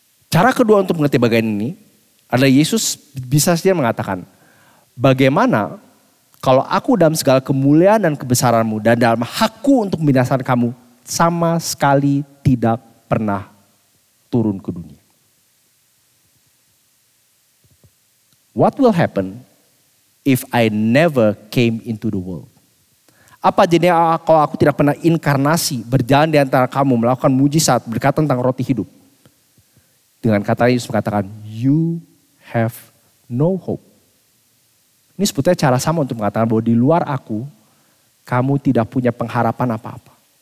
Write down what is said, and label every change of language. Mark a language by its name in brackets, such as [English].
[Indonesian] Cara kedua untuk mengerti bagian ini adalah Yesus bisa saja mengatakan, bagaimana kalau aku dalam segala kemuliaan dan kebesaranmu dan dalam hakku untuk membinasakan kamu sama sekali tidak pernah turun ke dunia. [English] What will happen if I never came into the world? [Indonesian] Apa jadinya kalau aku tidak pernah inkarnasi, berjalan di antara kamu, melakukan mujizat, berkata tentang roti hidup? Dengan kata Yesus mengatakan, [English] you have no hope. [Indonesian] Ini sebetulnya cara sama untuk mengatakan bahwa di luar aku, kamu tidak punya pengharapan apa-apa.